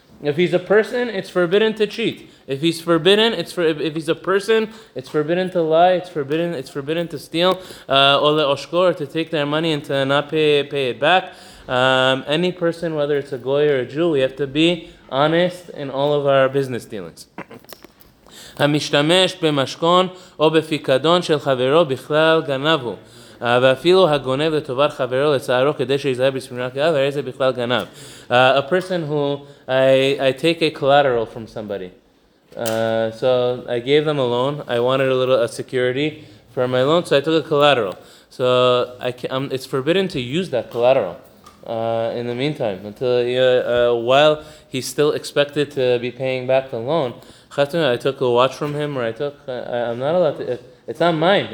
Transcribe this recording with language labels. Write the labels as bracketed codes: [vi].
[en] If he's a person, it's forbidden to cheat. If he's a person, it's forbidden to lie. It's forbidden to steal. Ole oshkor, to take their money and to not pay it back. Any person, whether it's a goy or a Jew, we have to be honest in all of our business dealings. [he] המשתמש במשכון או בפיקדון של חברו בכלל גנבו. ואפילו הגונב לטובת חברו לצערו כדי שיזהה בספירה כאב, הרי זה בכלל גנב. [en] A person who, I take a collateral from somebody. So I gave them a loan. I wanted a little security for my loan, so I took a collateral. So it's forbidden to use that collateral. In the meantime, until while he's still expected to be paying back the loan, I took a watch from him, or I'm not allowed to. It's not mine.